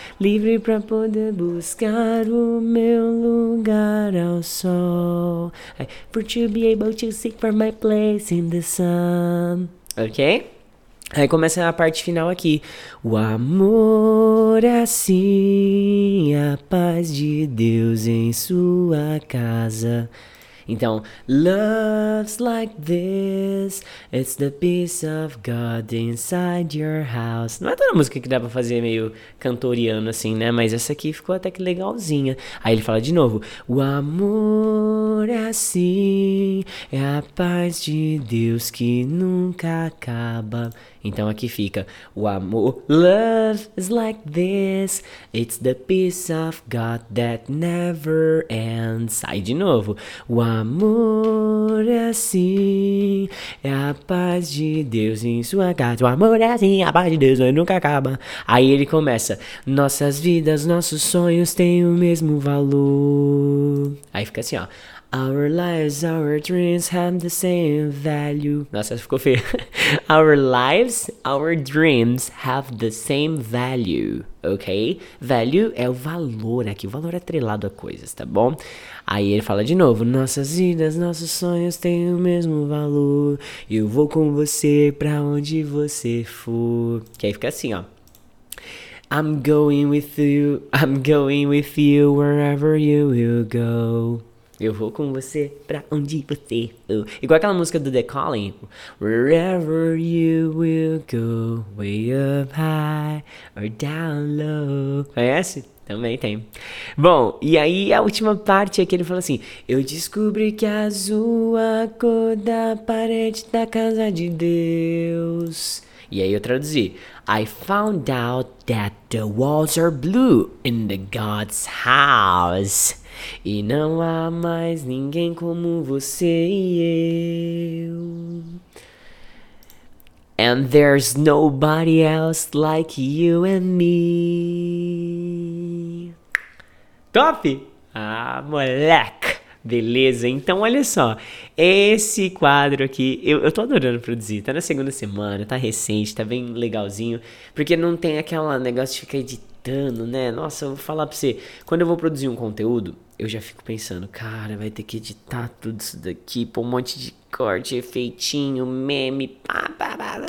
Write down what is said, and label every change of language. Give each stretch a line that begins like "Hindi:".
Portuguese: Livre pra poder buscar o meu lugar ao sol.
English: Free to be able to seek for my place in the sun. Ok?
Portuguese: Aí começa a parte final aqui. O amor é assim, a paz de Deus em sua casa. Então,
English: love's like this, it's the peace of God inside your house.
Portuguese: Não é toda música que dá pra fazer meio cantoriano assim, né? Mas essa aqui ficou até que legalzinha. Aí ele fala de novo: O amor é assim, é a paz de Deus que nunca acaba. Então aqui fica: O amor,
English: love's like this, it's the peace of God that never ends.
Portuguese: Aí de novo: O amor. Amor é assim, é a paz de Deus em sua casa. O amor é assim, a paz de Deus nunca acaba. Aí ele começa: Nossas vidas, nossos sonhos têm o mesmo valor. Aí fica assim, ó.
English: Our lives, our dreams have the same value.
Portuguese: Nossa, ficou feio.
English: Our lives, our dreams have the same value, ok?
Portuguese: Value é o valor aqui, o valor atrelado a coisas, tá bom? Aí ele fala de novo: Nossas vidas, nossos sonhos têm o mesmo valor. Eu vou com você pra onde você for. Que aí fica assim, ó.
English: I'm going with you wherever you will go.
Portuguese: Eu vou com você pra onde você for. Igual aquela música do The Calling.
English: Wherever you will go, way up high or down low.
Portuguese: Conhece? Também tem. Bom, e aí a última parte é que ele fala assim: Eu descobri que azul é a cor da parede da casa de Deus. E aí eu traduzi:
English: I found out that the walls are blue in the God's house.
Portuguese: E não há mais ninguém como você e eu.
English: And there's nobody else like you and me.
Portuguese: Top! Ah, moleque! Beleza, então olha só, esse quadro aqui, eu tô adorando produzir, tá na segunda semana, tá recente, tá bem legalzinho, porque não tem aquela negócio de ficar editando editando, né? Nossa, eu vou falar pra você. Quando eu vou produzir um conteúdo, eu já fico pensando, cara, vai ter que editar tudo isso daqui, pôr um monte de corte, efeitinho, meme, pá, pá, pá.